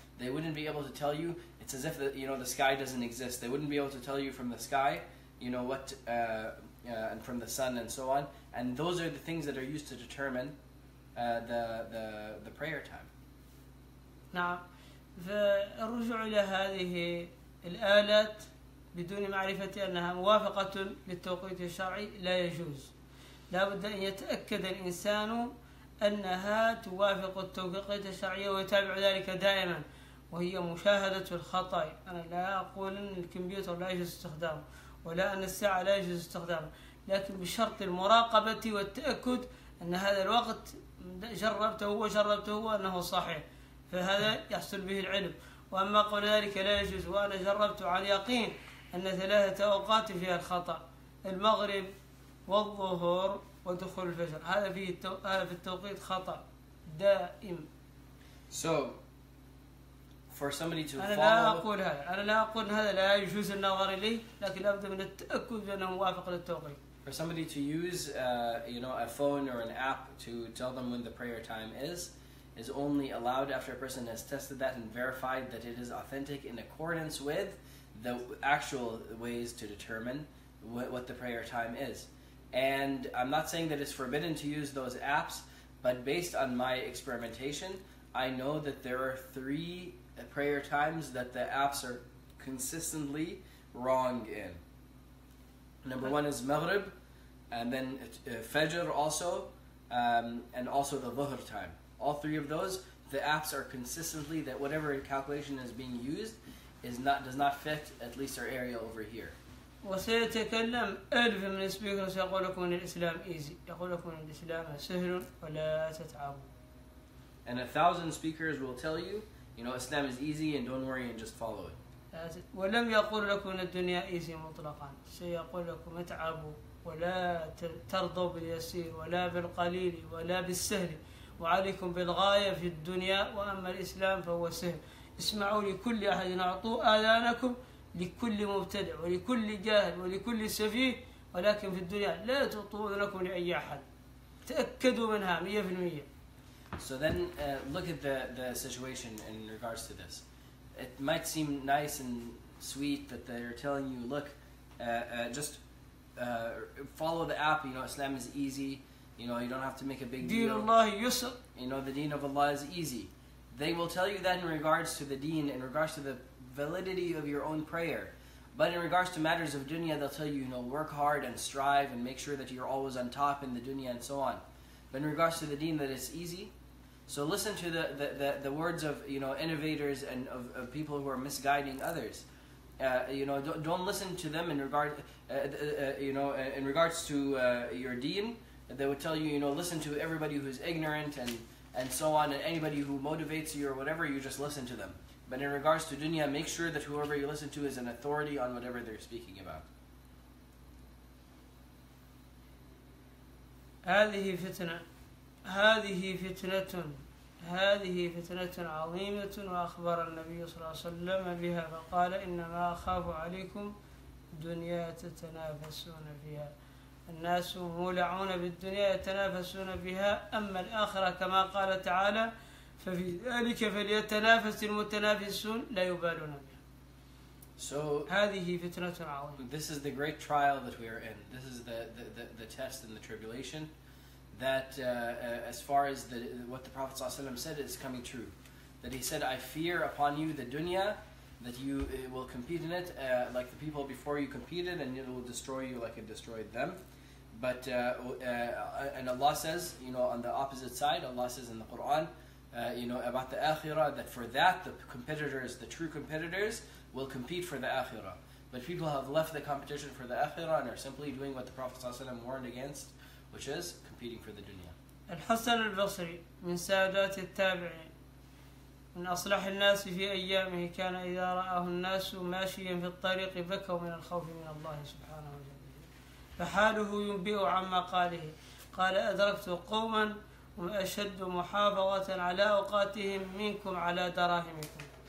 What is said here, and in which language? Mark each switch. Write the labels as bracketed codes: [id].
[en] They wouldn't be able to tell you. It's as if the, you know, the sky doesn't exist. They wouldn't be able to tell you from the sky, you know, what and from the sun and so on. And those are the things that are used to determine the prayer time. [ar] نعم، فالرجع إلى هذه الآلات بدون معرفة أنها موافقة للتوقيت الشرعي لا يجوز. لا بد أن يتأكد الإنسان أنها توافق التوقيت الشرعي ويتابع ذلك دائما. وهي مشاهدة الخطأ. أنا لا أقول أن الكمبيوتر لا يجوز استخدامه، ولا أن الساعة لا يجوز استخدامه. لكن بشرط المراقبة والتأكد أن هذا الوقت جربته أنه صحيح فهذا يحصل به العلم وأما قول ذلك لا يجوز وأنا جربته على يقين أن ثلاثة أوقات فيها الخطأ المغرب والظهر ودخول الفجر هذا فيه في التوقيت خطأ دائم [en] So for somebody to [ar] أنا [en] follow [ar] لا أقول هذا أنا لا أقول هذا لا يجوز النظر إليه لكن لابد من التأكد أنه موافق للتوقيت [en] For somebody to use, you know, a phone or an app to tell them when the prayer time is only allowed after a person has tested that and verified that it is authentic in accordance with the actual ways to determine what the prayer time is. And I'm not saying that it's forbidden to use those apps, but based on my experimentation, I know that there are three prayer times that the apps are consistently wrong in. Number one is Maghrib, and then Fajr also, and also the Dhuhr time. All three of those, the apps are consistently that whatever calculation is being used does not fit at least our area over here. [ar] وسيتكلم ألف من السبيكر سيقول لكم أن الإسلام [en] easy. [ar] يقول لكم أن الإسلام سهل ولا تتعبوا. [en] And 1,000 speakers will tell you, you know, Islam is easy and don't worry and just follow it. [ar] ولم يقول لكم الدنيا [en] easy [ar] مطلقا سيقول لكم اتعبوا ولا ترضوا باليسير ولا بالقليل ولا بالسهل وعليكم بالغاية في الدنيا وأما الإسلام فهو سهل اسمعوا لكل أحد أعطوا آذانكم لكل مبتدع ولكل جاهل ولكل سفيه ولكن في الدنيا لا تعطوا لكم لأي أحد تأكدوا منها 100% [en] So then look at the situation in regards to this. It might seem nice and sweet that they're telling you, look, just follow the app. You know, Islam is easy. You know, you don't have to make a big deal. Deen Allah Yusuf. You know, the deen of Allah is easy. They will tell you that in regards to the deen, in regards to the validity of your own prayer. But in regards to matters of dunya, they'll tell you, you know, work hard and strive and make sure that you're always on top in the dunya and so on. But in regards to the deen, that it's easy. So listen to the words of, you know, innovators and of people who are misguiding others. You know, don't listen to them in regard, you know, in regards to your deen. They would tell you, you know, listen to everybody who's ignorant and so on, and anybody who motivates you or whatever, you just listen to them. But in regards to dunya, make sure that whoever you listen to is an authority on whatever they're speaking about. [ar] هذه فتنة هذه فتنة هذه فتنة عظيمة وأخبر النبي صلى الله عليه وسلم بها فقال إنما أخاف عليكم دنيا تتنافسون فيها الناس مولعون بالدنيا يتنافسون بها أما الآخرة كما قال تعالى ففي ذلك فليتنافس المتنافسون لا يبالون بها. [en] So [ar] هذه فتنة عظيمة. [en] This is the great trial that we are in. This is the test and the tribulation. That as far as the what the Prophet ﷺ said is coming true, that he said, "I fear upon you the dunya, that you will compete in it like the people before you competed, and it will destroy you like it destroyed them." But and Allah says, you know, on the opposite side, Allah says in the Quran, you know, about the akhirah, that for that the competitors, the true competitors, will compete for the akhirah. But people have left the competition for the akhirah and are simply doing what the Prophet ﷺ warned against, which is competing for the dunya. [ar] الحسن البصري من سادات التابعين من أصلح الناس في أيامه كان إذا رآه الناس ماشيا في الطريق بكوا من الخوف من الله سبحانه وتعالى فحاله ينبئ عما قاله قال أدركت قوما هم أشد محافظة على أوقاتهم منكم على دراهمكم.